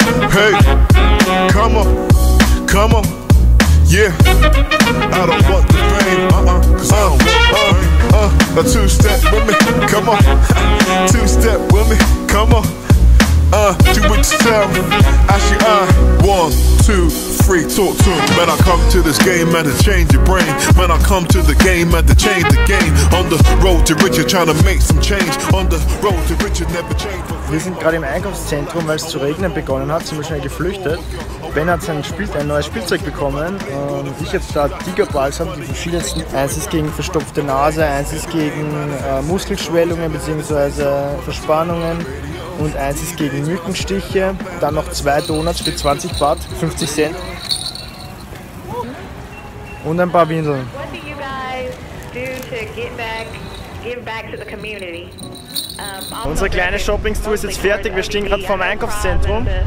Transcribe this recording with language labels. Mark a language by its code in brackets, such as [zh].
[en] Hey, come on. Come on, yeah, I don't want the pain, cause I don't want pain, a two-step with me, come on, two-step with me, come on, do what you tell me, actually I, one, two, three, talk to him, man, I come to this game, man, to change your brain, man, I come to the game, man, to change the game, on the road to riches, trying to make some change, on the road to riches, never change. [de] Wir sind gerade im Einkaufszentrum, weil es zu regnen begonnen hat, sind wir schnell geflüchtet. Ben hat ein neues Spielzeug bekommen. Ich habe da Tigerballs, die verschiedensten. Eins ist gegen verstopfte Nase, eins ist gegen Muskelschwellungen bzw. Verspannungen und eins ist gegen Mückenstiche. Dann noch zwei Donuts für 20 Baht, 50 Cent. Und ein paar Windeln. [en] What do you guys do to give back to the community? [de] Unsere kleine Shoppingstour ist jetzt fertig. Wir stehen gerade vor dem Einkaufszentrum.